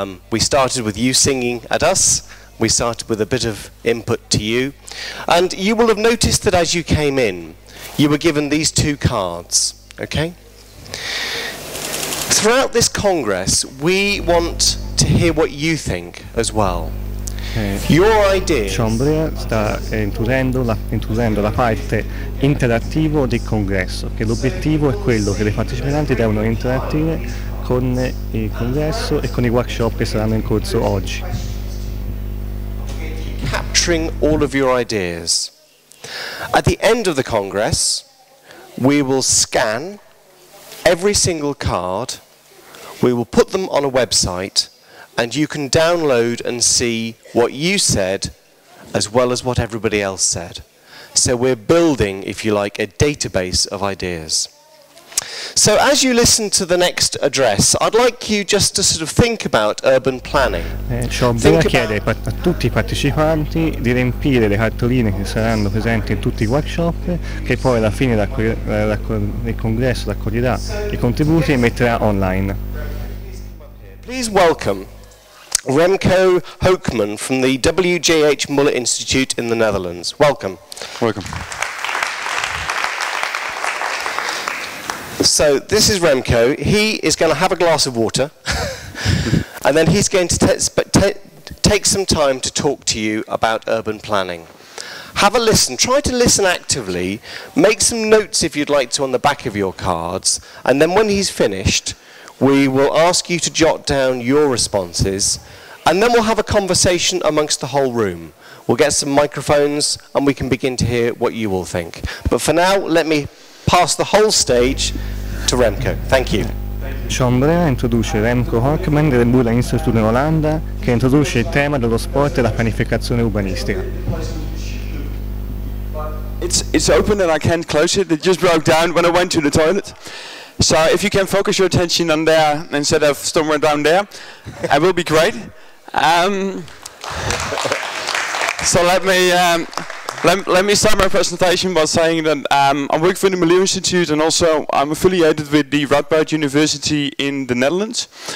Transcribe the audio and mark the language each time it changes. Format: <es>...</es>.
<en>We started with you singing at us. We started with a bit of input to you. And you will have noticed that as you came in, you were given these two cards, okay? Throughout this congress, we want to hear what you think as well. Your idea.</en> <it>Ciambria sta intuendo la parte interattiva del congresso, che l'obiettivo è quello che le partecipanti devono interagire con il congresso e con i workshop che saranno in corso oggi.</it> <en>Capturing all of your ideas. At the end of the congress, we will scan every single card, we will put them on a website, and you can download and see what you said as well as what everybody else said. So we're building, if you like, a database of ideas. So as you listen to the next address, I'd like you just to sort of think about urban planning.</en> <it>Ciambria chiede a tutti i partecipanti di riempire le cartoline che saranno presenti in tutti i workshop, che poi alla fine del congresso raccoglierà i contributi e metterà online.</it> <en>Please welcome Remco Hoekman from the WJH Muller Institute in the Netherlands. Welcome. Welcome. So this is Remco. He is going to have a glass of water and then he's going to take some time to talk to you about urban planning. Have a listen. Try to listen actively. Make some notes if you'd like to on the back of your cards, and then when he's finished we will ask you to jot down your responses. And then we'll have a conversation amongst the whole room. We'll get some microphones and we can begin to hear what you all think. But for now, let me pass the whole stage to Remco. Thank you.</en> <it>Sean Brea introduce Remco Hockman del Bula Institute in Olanda, che introduce il tema dello sport e la pianificazione urbanistica.</it> <en>It's open and I can't close it. It just broke down when I went to the toilet. So if you can focus your attention on there instead of somewhere down there, it will be great. So let me start my presentation by saying that I work for the Milieu Institute and also I'm affiliated with the Radboud University in the Netherlands.</en>